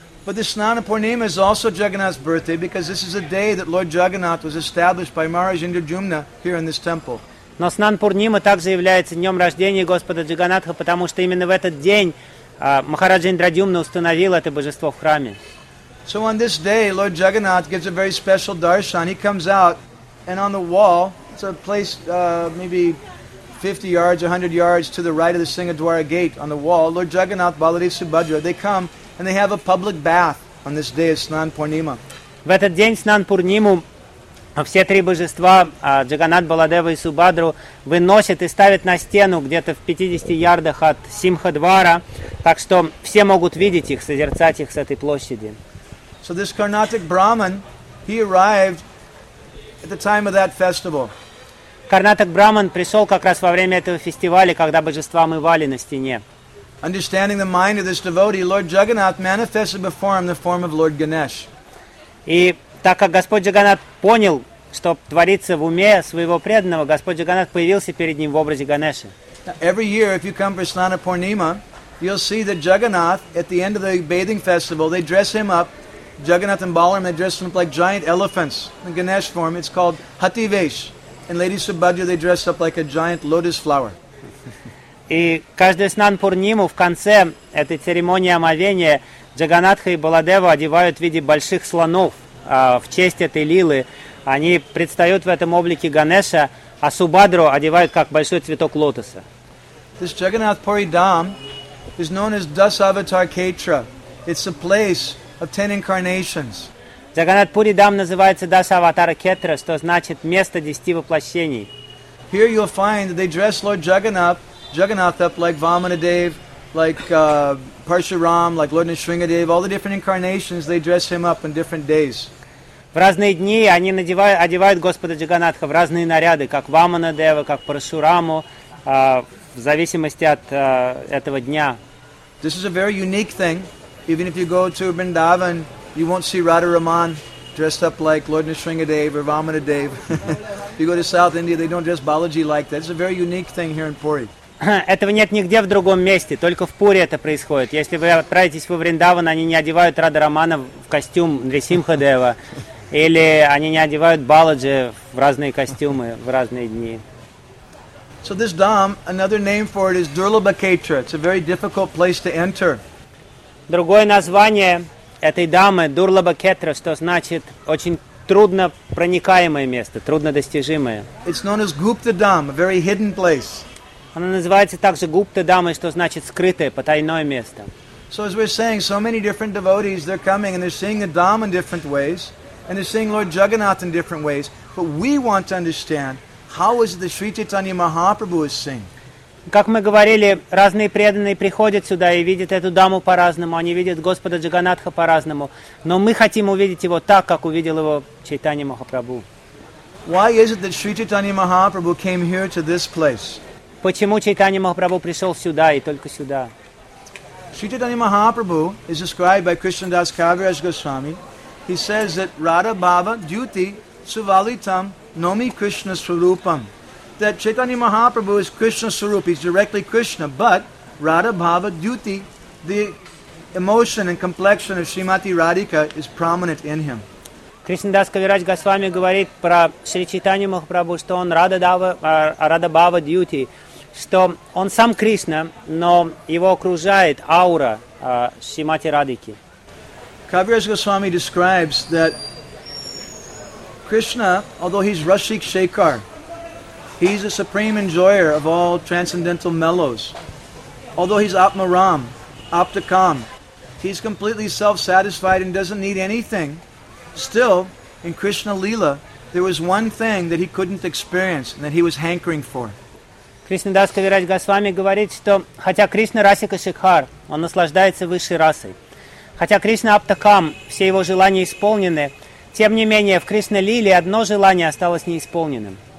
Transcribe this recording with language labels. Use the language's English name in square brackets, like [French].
[English] But this Snana Purnima is also Jagannath's birthday because this is a day that Lord Jagannath was established by Maharaj Indrajumna here in this temple. [Russian] Но Снана Пурнима также является днем рождения Господа Джаганнатха, потому что именно в этот день Махараджа Индрадюмна установил это божество в храме. [English] So on this day, Lord Jagannath gives a very special darshan. He comes out, and on the wall, It's a place maybe 50 yards, 100 yards to the right of the Singhadwara gate on the wall. Lord Jagannath, Baladev Subhadra, they come and they have a public bath on this day of Snan Purnima. [Russian] В этот день Снан Пурниму все три божества, Джаганнат, Баладева и Субхадру, выносят и ставят на стену где-то в 50 ярдах от Симхадвара, так что все могут видеть их, созерцать их с этой площади. [English] So this Carnatic Brahman, he arrived at the time of that festival. [Russian] Карнатик Браман пришел как раз во время этого фестиваля, когда божества омывали на стене. [English] Understanding the mind of this devotee, Lord Jagannath manifested before him the form of Lord Ganesh. [Russian] И так как Господь Джаганнат понял, что творится в уме своего преданного, Господь Джаганнат появился перед ним в образе Ганеша. [English] Every year, if you come for Snana Purnima, you'll see that Jagannath, at the end of the bathing festival, they dress him up, Jagannath and Balaram, they dress him up like giant elephants, in Ganesh form, it's called Hativesh. And Lady Subhadra, they dress up like a giant lotus flower. [Russian] И каждый Снан Пурниму в конце этой церемонии омовения Джаганнатха и Баладева одевают в виде больших слонов в честь этой лилы. Они предстают в этом облике Ганеша, а Субхадру одевают как большой цветок лотоса. [English] This Jagannath Puri Dham is known as Dasavatar Khetra. It's a place of 10 incarnations. [Russian] Джаганнат Пури Дам называется Дасаватара Кетра, что значит место 10 воплощений. [English] Here you'll find that they dress Lord Jagannath up like Vamanadev, like Parshuram, like Lord Nrisimhadev, all the different incarnations, they dress him up on different days. [Russian] В разные дни они одевают Господа Джаганнатха в разные наряды, как Ваманадева, как Парашураму, в зависимости от этого дня. [English] This is a very unique thing. Even if you go to Vrindavan, you won't see Radha Raman dressed up like Lord Nrisimhadev or Vamanadev. You go to South India, they don't dress Balaji like that. It's a very unique thing here in Puri. [Russian] Этого нет нигде в другом месте, только в Пури это происходит. Если вы отправитесь во Вриндаван, они не одевают Радха Рамана в костюм Нрисимхадева, или они не одевают Баладжи в разные костюмы в разные дни. [English] So this dham, another name for it is Durlabha Khetra. It's a very difficult place to enter. [Russian] Другое название этой дамы Durlabha Khetra, что значит очень трудно проникаемое место, труднодостижимое. [English] It's known as Gupta Dham, a very hidden place. [Russian] Она называется также Гупта Дама, что значит скрытое, потайное место. [English] So as we're saying, so many different devotees, they're coming and they're seeing the Dham in different ways, and they're seeing Lord Jagannath in different ways. But we want to understand, how is it that Sri Chaitanya Mahaprabhu is seeing? [Russian] Как мы говорили, разные преданные приходят сюда и видят эту даму по-разному, они видят Господа Джаганнатха по-разному, но мы хотим увидеть его так, как увидел его Чайтанья Махапрабху. [English] Why is it that Sri Chaitanya Mahaprabhu came here to this place? [Russian] Почему Чайтанья Махапрабху пришел сюда и только сюда? [English] Sri Chaitanya Mahaprabhu is described by Krishna Das Kaviraj Goswami. He says that Radha Bhava Dyuti Suvalitam Nomi Krishna Swarupam. That Chaitanya Mahaprabhu is Krishna Swarup, he's directly Krishna, but Radha Bhava Dyuti, the emotion and complexion of Srimati Radhika is prominent in him. [Russian] Krishna Das Kaviraj Goswami говорит про Шри Чайтанья Махапрабху, что он Radha Bhava Dyuti, что он сам Кришна, но его окружает аура Шримати Радхики. [English] Kaviraj Goswami describes that Krishna, although he's Rashik Shekhar, he's a supreme enjoyer of all transcendental mellows. Although he's Atmaram, Aptakam, he's completely self-satisfied and doesn't need anything. Still, in Krishna Leela, there was one thing that he couldn't experience and that he was hankering for. [Russian] Krishna Das Kaviraj Goswami говорит, что хотя Кришна Расика Шикхар, он наслаждается высшей расой, хотя Кришна Аптакам, все его желания исполнены, тем не менее, в Кришна Лиле одно желание осталось неисполненным.